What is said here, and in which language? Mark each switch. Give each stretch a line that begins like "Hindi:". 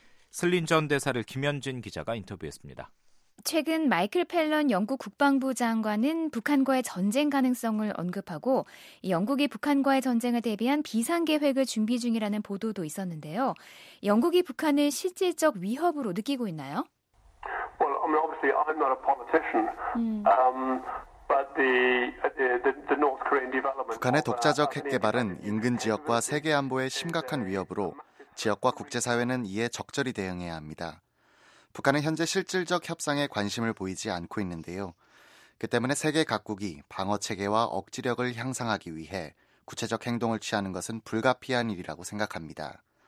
Korean: 슬린 전 대사를 김현진 기자가 인터뷰했습니다. 최근 마이클 펠런 영국 국방부 장관은 북한과의 전쟁 가능성을 언급하고 영국이 북한과의 전쟁을 대비한 비상계획을 준비 중이라는 보도도 있었는데요. 영국이 북한을 실질적 위협으로 느끼고 있나요?
English: Well, I mean, obviously I'm not a politician. But the North Korean development.
Korean: 북한의 독자적 핵 개발은 인근 지역과 세계 안보에 심각한 위협으로 지역과 국제사회는 이에 적절히 대응해야 합니다. 북한은 현재 실질적 협상에 관심을 보이지 않고 있는데요. 그 때문에 세계 각국이 방어체계와 억지력을 향상하기 위해 구체적 행동을 취하는 것은 불가피한 일이라고 생각합니다.